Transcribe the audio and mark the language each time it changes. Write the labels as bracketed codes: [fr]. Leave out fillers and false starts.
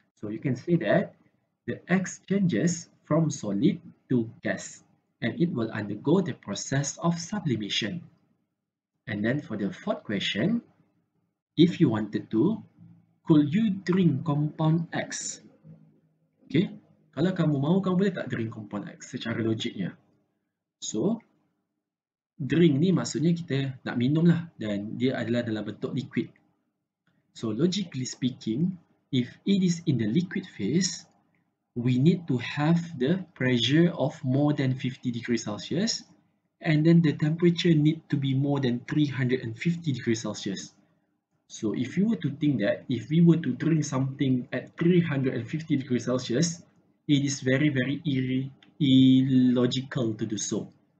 [en] So you can see that the X changes from solid to gas. and it will undergo the process of sublimation. And then for the fourth question, if you wanted to, could you drink compound X? [ms] Okay, kalau kamu mahu, kamu boleh tak [en] drink compound X [ms] secara logiknya? So, drink ni maksudnya kita nak minum lah dan dia adalah dalam bentuk liquid. [en] So, logically speaking, if it is in the liquid phase, we need to have the pressure of more than 50 degrees Celsius and then the temperature need to be more than 350 degrees Celsius. So, if you were to think that, if we were to drink something at 350 degrees Celsius, it is very, very illogical to do so.